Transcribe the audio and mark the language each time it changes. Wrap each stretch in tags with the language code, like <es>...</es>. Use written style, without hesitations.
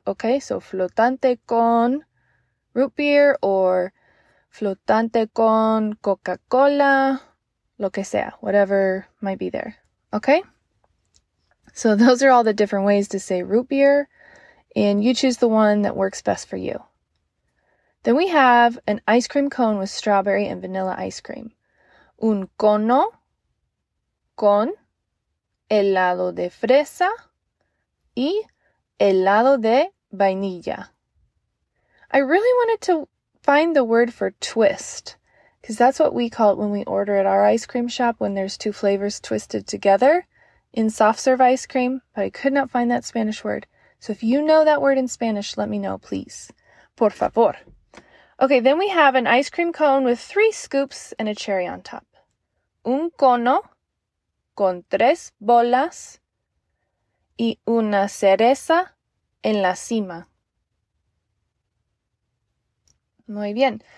<en>Okay, so</en> <es>flotante con</es> <en>root beer or flotante con Coca-Cola,</en> <es>lo que sea,</es> <en>whatever might be there. Okay, so those are all the different ways to say root beer, and you choose the one that works best for you. Then we have an ice cream cone with strawberry and vanilla ice cream.</en> <es>Un cono con helado de fresa y helado de vainilla.</es> <en>I really wanted to find the word for twist, because that's what we call it when we order at our ice cream shop, when there's two flavors twisted together in soft serve ice cream, but I could not find that Spanish word. So if you know that word in Spanish, let me know, please.</en> <es>Por favor.</es> <en>Okay, then we have an ice cream cone with 3 scoops and a cherry on top.</en> <es>Un cono con 3 bolas y una cereza en la cima. Muy bien.</es>